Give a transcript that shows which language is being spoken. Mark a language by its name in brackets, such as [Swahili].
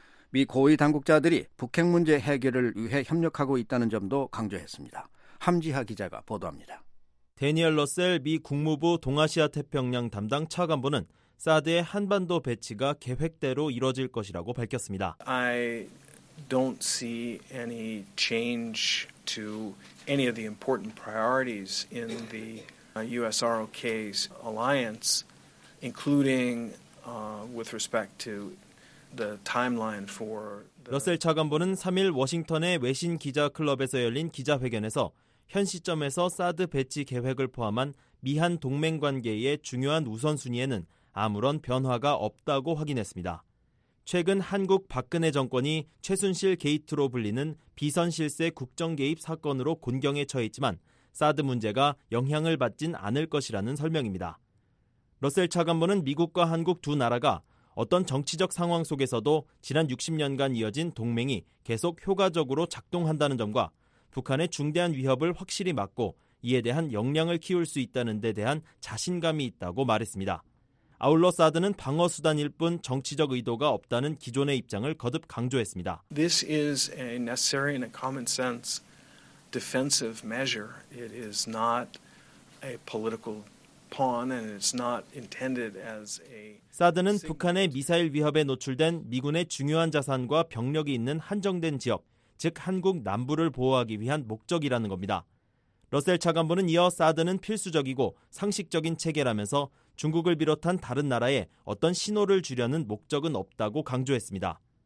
[Korean] 미 고위 당국자들이 북핵 문제 해결을 위해 협력하고 있다는 점도 강조했습니다. 함지하 기자가 보도합니다. 대니얼 러셀 미 국무부 동아시아 태평양 담당 차관보는 사드의 한반도 배치가 계획대로 이뤄질 것이라고 밝혔습니다. [English] I don't see any change to any of the important priorities in the USROK's alliance, including with respect to the timeline for. [Korean] 러셀 차관보는 3일 워싱턴의 외신 기자 클럽에서 열린 기자회견에서 현 시점에서 사드 배치 계획을 포함한 미한 동맹 관계의 중요한 우선순위에는 아무런 변화가 없다고 확인했습니다. 최근 한국 박근혜 정권이 최순실 게이트로 불리는 비선실세 국정 개입 사건으로 곤경에 처해 있지만 사드 문제가 영향을 받진 않을 것이라는 설명입니다. 러셀 차관보는 미국과 한국 두 나라가 어떤 정치적 상황 속에서도 지난 60년간 이어진 동맹이 계속 효과적으로 작동한다는 점과 북한의 중대한 위협을 확실히 막고 이에 대한 역량을 키울 수 있다는 데 대한 자신감이 있다고 말했습니다. 아울러 사드는 방어수단일 뿐 정치적 의도가 없다는 기존의 입장을 거듭 강조했습니다. [English] This is a necessary and a common sense defensive measure. It is not a political pawn and it's not intended as a [Korean] 사드는 북한의 미사일 위협에 노출된 미군의 중요한 자산과 병력이 있는 한정된 지역, 즉 한국 남부를 보호하기 위한 목적이라는 겁니다. 러셀 차관보는 이어 사드는 필수적이고 상식적인 체계라면서 중국을 비롯한 다른 나라에 어떤 신호를 주려는 목적은 없다고 강조했습니다.